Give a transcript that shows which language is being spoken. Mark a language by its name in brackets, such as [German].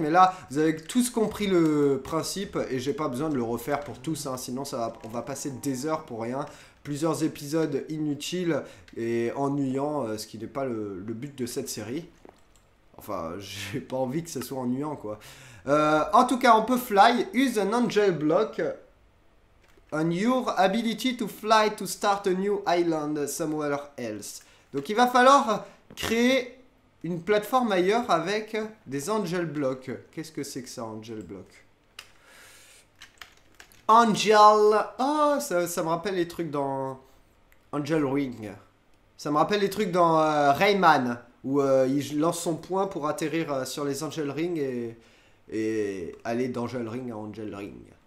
[French] Mais là, vous avez tous compris le principe. Et j'ai pas besoin de le refaire pour tous. Hein, sinon, on va passer des heures pour rien. Plusieurs épisodes inutiles et ennuyants. Ce qui n'est pas le but de cette série. Enfin, j'ai pas envie que ce soit ennuyant, quoi. En tout cas, on peut [English] fly. Use an angel block. On your ability to fly to start a new island somewhere else. [French] Donc il va falloir créer une plateforme ailleurs avec des Angel Blocks. Qu'est-ce que c'est que ça, Angel Block? Angel. Oh, ça me rappelle les trucs dans Angel Ring. Ça me rappelle les trucs dans Rayman, où il lance son poing pour atterrir sur les Angel Ring et aller d'Angel Ring à Angel Ring.